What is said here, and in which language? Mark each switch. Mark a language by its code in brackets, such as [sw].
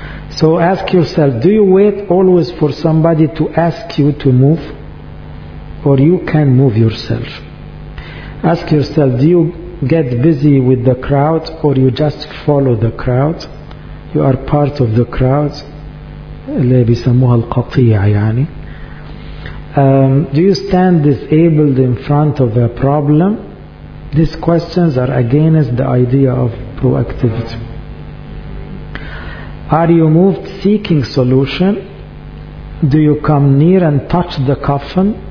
[en] So ask yourself, do you wait always for somebody to ask you to move, or you can move yourself? Ask yourself, do you get busy with the crowd, or you just follow the crowd? You are part of the crowd. [ar] اللي بيسموها القطيع يعني. [en] Do you stand disabled in front of a problem? These questions are against the idea of proactivity. Are you moved seeking solution? Do you come near and touch the coffin?